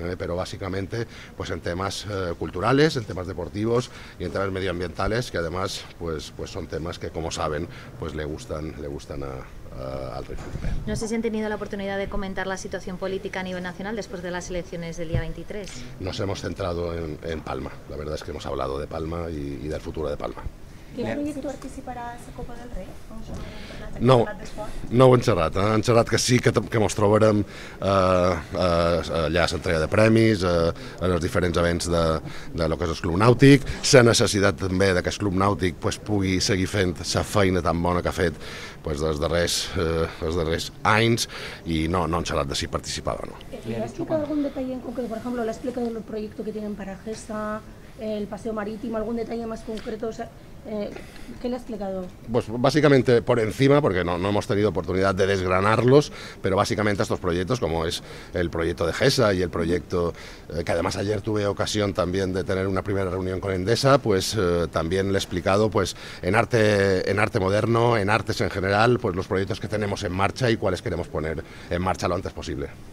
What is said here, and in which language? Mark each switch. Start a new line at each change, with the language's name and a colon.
Spanish: Pero básicamente pues en temas culturales, en temas deportivos y en temas medioambientales, que además pues son temas que, como saben, pues le gustan al rey. No sé si han tenido la oportunidad de comentar la situación política a nivel nacional después de las elecciones del día 23. Nos hemos centrado en Palma. La verdad es que hemos hablado de Palma y del futuro de Palma. ¿Qué proyecto participará esa Copa del Rey?
Catalan: No, no ho enxerrat. Han enxerrat que sí, que ens trobarem allà a l'entrega de premis, en els diferents events de lo que és el Club Nàutic. La necessitat també de que el Club Nàutic pues, pugui seguir fent la feina tan bona que ha fet pues, els darrers anys, i no, no han enxerrat de si participava o no. ¿Le ha explicat algun detall en concret?
Spanish: Por ejemplo,
Catalan: ¿le ha explicat el projecte que tenen per a Gesa, el paseo marítimo,
Spanish: algún detalle más concreto? O sea, ¿qué le ha explicado? Pues básicamente por encima, porque no hemos tenido oportunidad de desgranarlos, pero básicamente estos proyectos, como es el proyecto de Gesa y el proyecto que además ayer tuve ocasión también de tener una primera reunión con Endesa, pues también le he explicado pues en arte moderno, en artes en general, pues los proyectos que tenemos en marcha y cuáles queremos poner en marcha lo antes posible.